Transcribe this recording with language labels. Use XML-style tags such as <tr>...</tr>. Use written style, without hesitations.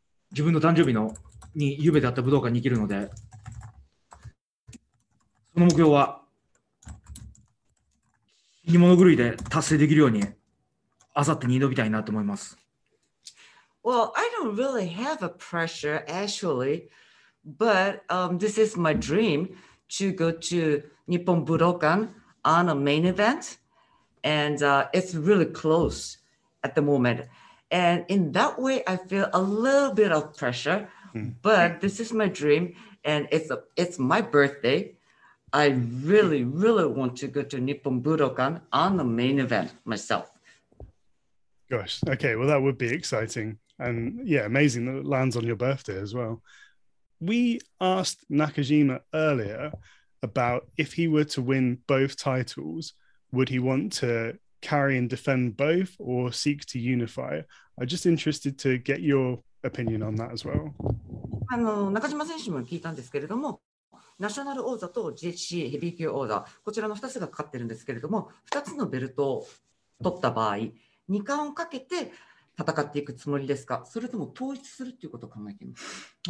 <ja>自分の誕生日のに夢であった武道館に行けるので、その目標は死に物狂いで達成できるようにあさってに挑みたいなと思います。</ja> <en>Well, I don't really have a pressure actuallyBut this is my dream to go to Nippon Budokan on a main event. And it's really close at the moment. And in that way, I feel a little bit of pressure. But this is my dream. And it's my birthday. I really, really want to go to Nippon Budokan on the main event myself. Gosh. Okay. Well, that would be exciting. And yeah, amazing that it lands on your birthday as well. We asked Nakajima earlier about if he were to win both titles, would he want to carry and defend both or seek to unify? I'm just interested to get your opinion on that as well.</en> <ja>中島選手も聞いたんですけれども、ナショナル王座と GHC ヘビー級王座、こちらの2つがかかってるんですけれども、2つのベルトを取った場合、二冠をかけて、戦っていくつもりですか、それとも統一するっていうことを考えています？</ja>